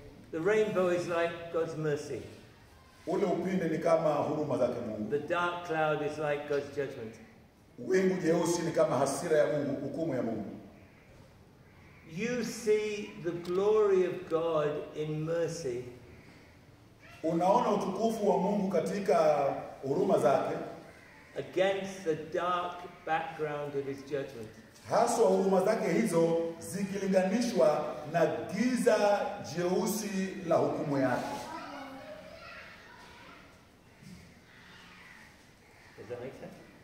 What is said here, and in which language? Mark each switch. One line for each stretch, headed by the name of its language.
English: The rainbow is like God's mercy.
Swahili: Ule upinde ni kama huruma zake Mungu.
English: The dark cloud is like God's judgment.
Swahili: Wingu jeusi ni kama hasira ya Mungu, hukumu ya Mungu.
English: You see the glory of God in mercy.
Swahili: Unaona utukufu wa Mungu katika huruma zake.
English: Against the dark background of his judgment.
Swahili: Haswa huruma zake hizo zikilinganishwa na giza jeusi la hukumu yake.
English: Does that make sense?